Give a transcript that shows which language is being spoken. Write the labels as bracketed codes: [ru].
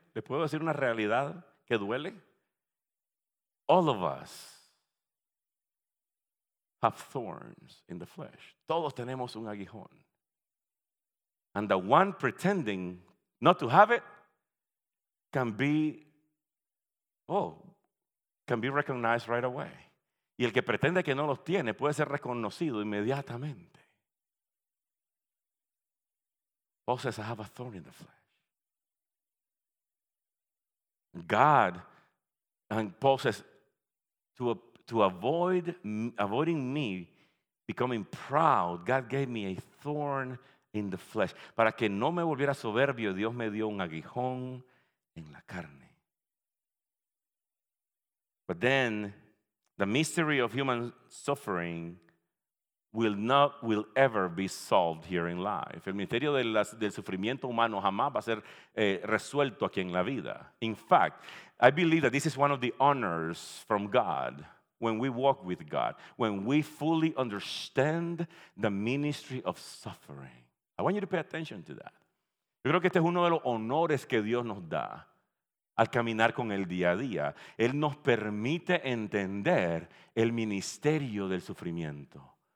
[es] ¿Le puedo decir una realidad que duele? [en] All of us have thorns in the flesh. [es] Todos tenemos un aguijón. [en] And the one pretending not to have it can be recognized right away. [es] Y el que pretende que no los tiene puede ser reconocido inmediatamente. [en] Paul says, I have a thorn in the flesh. God, and Paul says, to avoiding me becoming proud, God gave me a thorn in the flesh. [es] Para que no me volviera soberbio, Dios me dio un aguijón en la carne. [en] But then, the mystery of human suffering will ever be solved here in life. [es] El misterio del sufrimiento humano jamás va a ser resuelto aquí en la vida. [en] In fact, I believe that this is one of the honors from God. When we walk with God, when we fully understand the ministry of suffering. I want you to pay attention to that. [es] Yo creo que este es uno de los honores que Dios nos da al caminar con el día a día. Él nos permite entender el ministerio del sufrimiento.